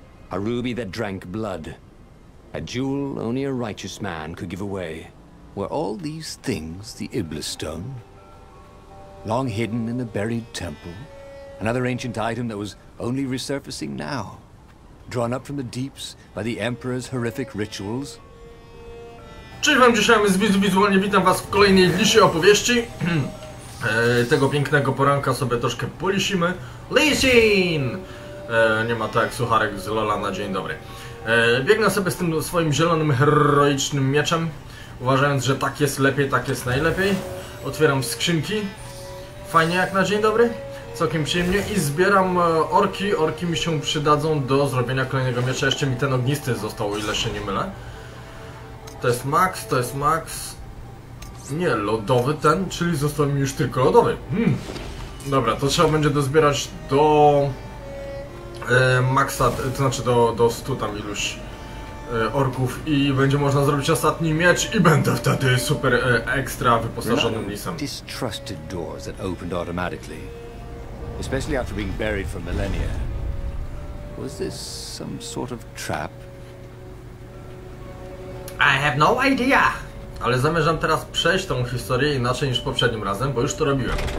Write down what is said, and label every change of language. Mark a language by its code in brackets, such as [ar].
[en] A ruby that drank blood. A jewel only a righteous man could give away. Were all these things the Iblis Stone? Long hidden in a buried temple. Another ancient item that was only resurfacing now. Drawn up from the deeps by the Emperor's horrific rituals. [pl] Cześć wam, dzisiaj z Wizzu, Wizualnie, witam was w kolejnej liście opowieści. Tego pięknego poranka sobie troszkę polisimy. Lisin! Nie ma tak, sucharek z Lola na dzień dobry. Biegnę sobie z tym swoim zielonym, heroicznym mieczem, uważając, że tak jest lepiej, tak jest najlepiej. Otwieram skrzynki. Fajnie jak na dzień dobry. Całkiem przyjemnie i zbieram orki. Orki mi się przydadzą do zrobienia kolejnego miecza. Jeszcze mi ten ognisty został, o ile się nie mylę. To jest max. Nie, lodowy ten, czyli został mi już tylko lodowy. Dobra, to trzeba będzie dozbierać do maxa, to znaczy do 100 tam iluś orków i będzie można zrobić ostatni miecz i będę wtedy super ekstra wyposażonym lisem. [en] Distrusted doors that opened automatically. Especially after being buried for millennia. Was this some sort of trap? I have no idea! [pl] Ale zamierzam teraz przejść tą historię inaczej niż poprzednim razem, bo już to robiłem.